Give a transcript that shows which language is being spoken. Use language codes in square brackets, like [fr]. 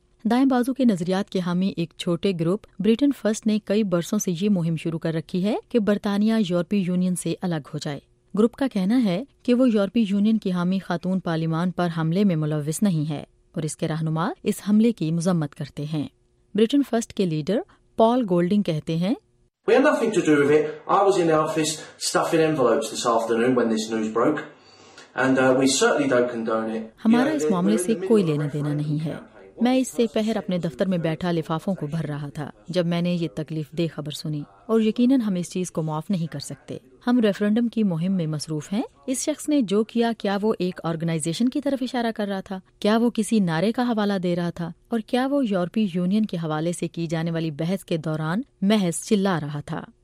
[ur] دائیں بازو کے نظریات کے حامی ایک چھوٹے گروپ بریٹن فرسٹ نے کئی برسوں سے یہ مہم شروع کر رکھی ہے کہ برطانیہ یورپی یونین سے الگ ہو جائے۔ گروپ کا کہنا ہے کہ وہ یورپی یونین کی حامی خاتون پارلیمان پر حملے میں ملوث نہیں ہے، اور اس کے رہنما اس حملے کی مذمت کرتے ہیں۔ بریٹن فرسٹ کے لیڈر پال گولڈنگ کہتے ہیں، [en] We had nothing to do with it. I was in the office stuffing envelopes this afternoon when this news broke. And we certainly don't condone it. [ur] ہمارا اس معاملے سے کوئی لینا دینا نہیں ہے۔ میں اس سے پہر اپنے دفتر میں بیٹھا لفافوں کو بھر رہا تھا جب میں نے یہ تکلیف دہ خبر سنی، اور یقیناً ہم اس چیز کو معاف نہیں کر سکتے۔ ہم ریفرنڈم کی مہم میں مصروف ہیں۔ اس شخص نے جو کیا، کیا وہ ایک آرگنائزیشن کی طرف اشارہ کر رہا تھا؟ کیا وہ کسی نعرے کا حوالہ دے رہا تھا؟ اور کیا وہ یورپی یونین کے حوالے سے کی جانے والی بحث کے دوران محض چلا رہا تھا؟